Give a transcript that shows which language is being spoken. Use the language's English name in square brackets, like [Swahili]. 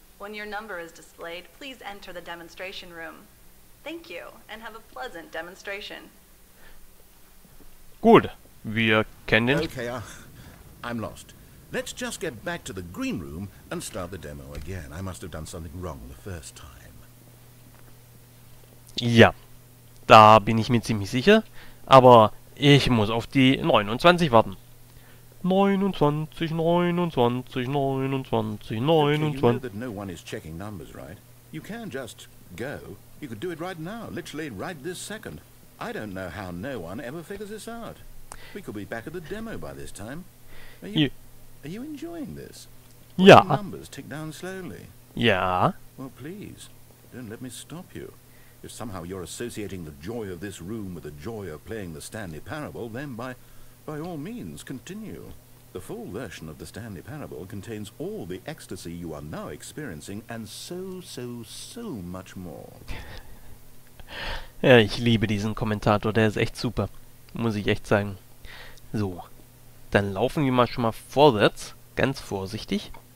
[English] When your number is displayed, please enter the demonstration room. Thank you, and have a pleasant demonstration. [German] Gut, wir kennen den... [English] Okay, I'm lost. Let's just get back to the green room and start the demo again. I must have done something wrong the first time. [German] Ja, da bin ich mir ziemlich sicher, aber ich muss auf die 29 warten. 29, 29, 29, 29. [English] You know that no one is checking numbers, right? You can just go. You could do it right now, literally right this second. I don't know how no one ever figures this out. We could be back at the demo by this time. Are you enjoying this? Yeah. The numbers tick down slowly. Yeah. Well, please, don't let me stop you. If somehow you're associating the joy of this room with the joy of playing the Stanley Parable, then by all means, continue. The full version of the Stanley Parable contains all the ecstasy you are now experiencing and so, so, so much more. [German] Ja, ich liebe diesen Kommentator, der ist echt super. Muss ich echt sagen. So. Dann laufen wir mal schon mal vorwärts, ganz vorsichtig.